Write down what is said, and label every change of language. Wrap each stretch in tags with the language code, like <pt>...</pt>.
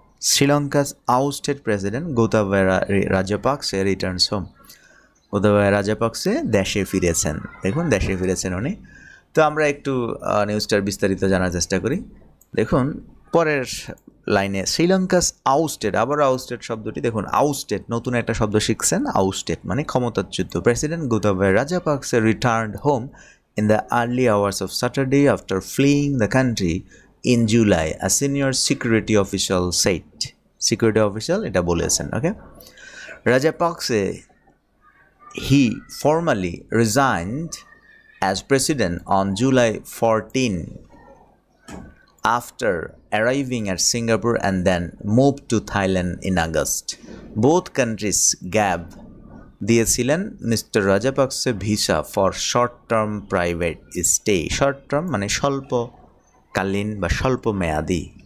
<bn>শ্রীলঙ্কার</bn> <en>ousted president Gotabaya Rajapaksa returns home,</en> <bn>Gotabaya Rajapaksa দেশে ফিরেছেন, দেখুন দেশে ফিরেছেন উনি। তো আমরা একটু নিউজটার বিস্তারিত জানার চেষ্টা করি। দেখুন পরের লাইনে, শ্রীলঙ্কাস আউস্টেড, আবার আউস্টেড শব্দটি, দেখুন আউস্টেড নতুন একটা শব্দ শিখছেন, আউস্টেড মানে ক্ষমতাচ্যুত,</bn> <en>President Gotabaya Rajapaksa returned home in the early hours of Saturday after fleeing the country in July, a senior security official said. Security official,</en> <bn>eta bolechen,</bn> <en>okay? Rajapakse, he formally resigned as president on July 14 after arriving at Singapore and then moved to Thailand in August. Both countries gave</en> <bn>দিয়েছিলেন</bn> <en>mister Rajapaksa visa for short term private stay, short term</en> <bn>মানে স্বল্পকালীন বা স্বল্প মেয়াদি।</bn>